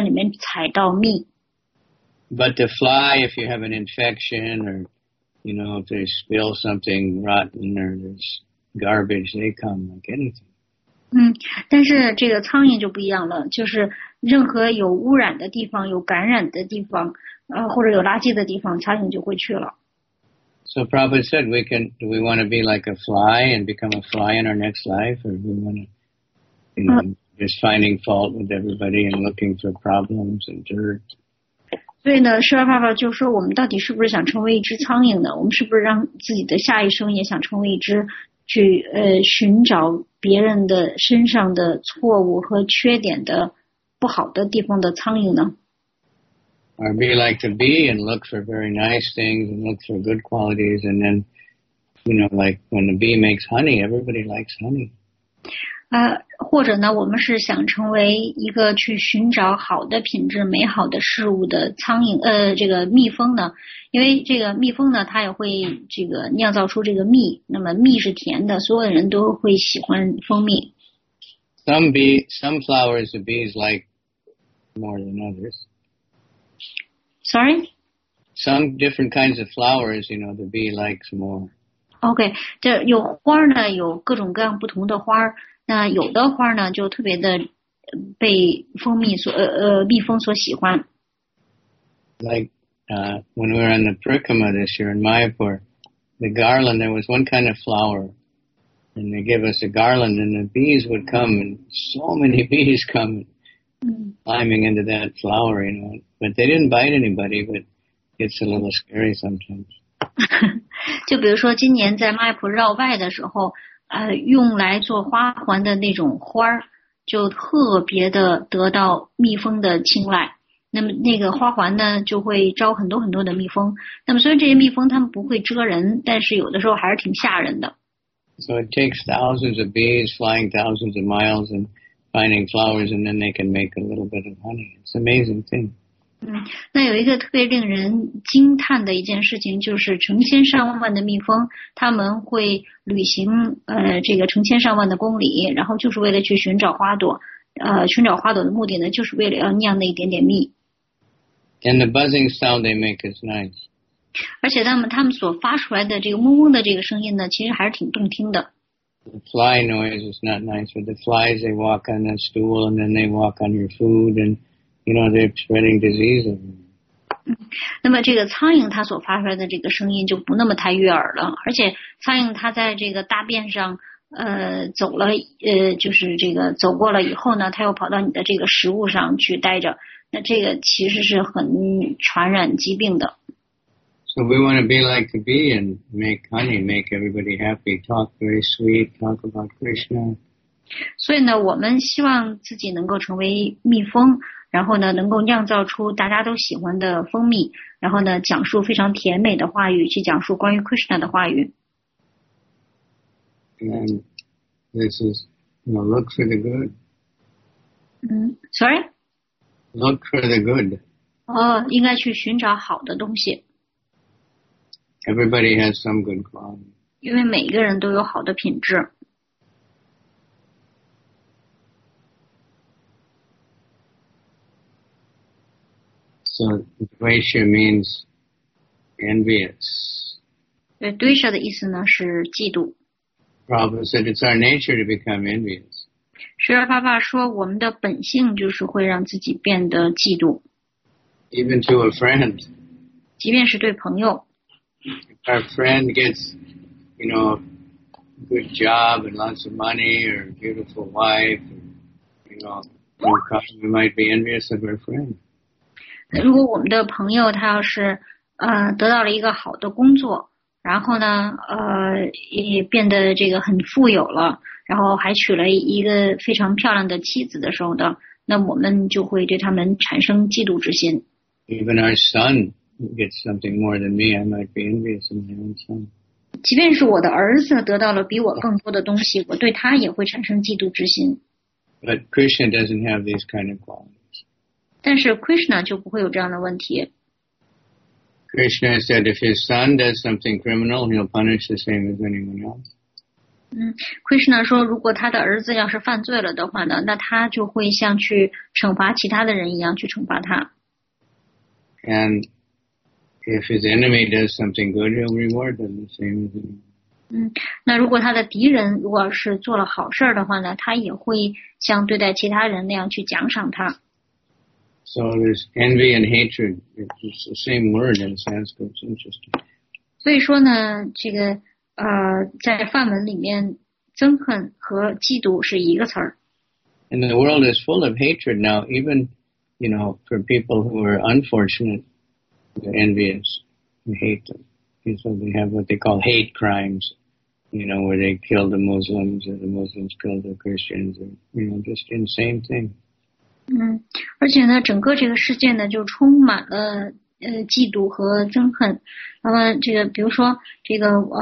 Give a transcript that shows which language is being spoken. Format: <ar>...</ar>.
<zh>就即便是我们用肉眼都看不到的那些特别小的那些花朵，蜜蜂都能够去发现它们，并且呢能够在里面采到蜜。</zh> <en>But the fly, if you have an infection or, you know, if they spill something rotten or there's garbage, they come like anything.</en> <zh>但是这个苍蝇就不一样了，就是任何有污染的地方、有感染的地方，或者有垃圾的地方，苍蝇就会去了。</zh> <en>So Prabhupada said, we can. Do we want to be like a fly and become a fly in our next life, or do we want to, you know, just finding fault with everybody and looking for problems and dirt?</en> <zh>所以呢，舍勒帕帕就说，我们到底是不是想成为一只苍蝇呢？我们是不是让自己的下一生也想成为一只？去寻找别人的身上的错误和缺点的不好的地方的苍蝇呢?</zh> <en>Or be like the bee and look for very nice things and look for good qualities and then, you know, like when the bee makes honey, everybody likes honey.</en> <zh>或者呢，我们是想成为一个去寻找好的品质、美好的事物的苍蝇，这个蜜蜂呢？因为这个蜜蜂呢，它也会这个酿造出这个蜜。那么蜜是甜的，所有的人都会喜欢蜂蜜。</zh> <en>Some flowers the bees like more than others. Sorry? Some different kinds of flowers, you know, the bee likes more.</en> <zh>Okay, 这有花呢，有各种各样不同的花。那有的花呢，就特别的被蜂蜜所蜜蜂所喜欢。</zh> <en>Like when we were in the Perkoma this year in Mayapur, the garland, there was one kind of flower. And they give us a garland, and the bees would come, and so many bees come climbing into that flower, you know. But they didn't bite anybody, but it's a little scary sometimes.</en> <zh>就比如说今年在麦普绕外的时候，用来做花环的那种花儿，就特别的得到蜜蜂的青睐。那么那个花环呢，就会招很多很多的蜜蜂。那么虽然这些蜜蜂它们不会蛰人，但是有的时候还是挺吓人的。</zh> <en>So it takes thousands of bees flying thousands of miles and finding flowers, and then they can make a little bit of honey. It's an amazing thing.</en> <zh>那有一个特别令人惊叹的一件事情，就是成千上万的蜜蜂，他们会旅行这个成千上万的公里，然后就是为了去寻找花朵，寻找花朵的目的呢，就是为了要酿那一点点蜜。</zh> <en>And the buzzing sound they make is nice.</en> <zh>而且他们所发出来的这个嗡嗡的这个声音呢，其实还是挺动听的。</zh> <en>The fly noise is not nice, but the flies they walk on the stool and then they walk on your food and. You know, they're spreading diseases.</en> <zh>那么这个苍蝇它所发出来的这个声音就不那么太悦耳了，而且苍蝇它在这个大便上走了就是这个走过了以后呢，它又跑到你的这个食物上去待着，那这个其实是很传染疾病的。</zh> <en>So we want to be like the bee and make honey, make everybody happy, talk very sweet, talk about Krishna.</en> <zh>所以呢，我们希望自己能够成为蜜蜂。然后呢，能够酿造出大家都喜欢的蜂蜜，然后呢，讲述非常甜美的话语，去讲述关于 Krishna 的话语。</zh> <en>And this is, you know, look for the good. Sorry? Look for the good.</en> <zh>应该去寻找好的东西。</zh> <en>Everybody has some good quality.</en> <zh>因为每一个人都有好的品质。</zh> <en>So dvesha means envious.</en> <zh>对 ，dvesha 的意思呢是嫉妒。</zh> <en>Prabhupada said it's our nature to become envious.</en> <zh>释迦牟尼说，我们的本性就是会让自己变得嫉妒。</zh> <en>Even to a friend.</en> <zh>即便是对朋友。</zh> <en>If our friend gets, you know, a good job and lots of money or a beautiful wife, you know, we might be envious of our friend.</en> <zh>如果我们的朋友他要是得到了一个好的工作，然后呢也变得这个很富有了，然后还娶了一个非常漂亮的妻子的时候呢，那我们就会对他们产生嫉妒之心。</zh> <en>Even our son gets something more than me, I might be envious of my own son.</en> <zh>即便是我的儿子得到了比我更多的东西，我对他也会产生嫉妒之心。</zh> <en>But Krishna doesn't have these kind of qualities.</en> <zh>但是 Krishna 就不会有这样的问题。</zh> <en>Krishna said if his son does something criminal, he'll punish the same as anyone else.</en> <zh>Krishna 说如果他的儿子要是犯罪了的话呢，那他就会像去惩罚其他的人一样去惩罚他。</zh> <en>And if his enemy does something good, he'll reward them the same as anyone else.</en> <zh>那如果他的敌人如果是做了好事的话呢，他也会像对待其他人那样去奖赏他。</zh> <en>So there's envy and hatred. It's the same word in Sanskrit. It's interesting.</en> <zh>所以说呢，这个在梵文里面，憎恨和嫉妒是一个词儿。</zh> <en>And the world is full of hatred now. Even, you know, for people who are unfortunate, they're envious and hate them. And so they have what they call hate crimes. You know, where they kill the Muslims or the Muslims kill the Christians, or you know, just insane thing.</en> <zh>而且呢，整个这个世界呢就充满了嫉妒和憎恨。那么这个，比如说这个</zh>